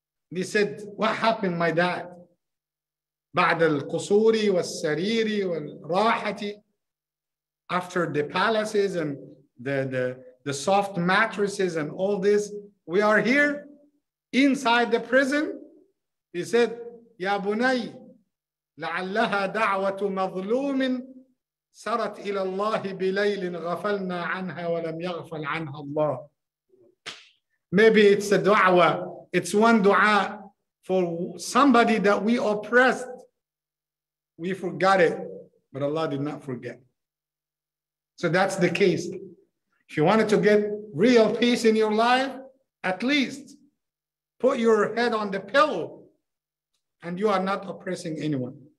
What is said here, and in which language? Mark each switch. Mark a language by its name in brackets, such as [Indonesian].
[English] He said, what happened, my dad? [Arabic] بعد القصور والسرير والراحة, [English] after the palaces and the soft mattresses and all this, we are here inside the prison. He said, [Arabic] يا بني لعلها دعوة مظلوم سرت إلى الله بليل غفلنا عنها ولم يغفل عنها الله. [English] Maybe it's a du'a. It's one du'a for somebody that we oppressed. We forgot it, but Allah did not forget. So that's the case. If you wanted to get real peace in your life, at least put your head on the pillow and you are not oppressing anyone.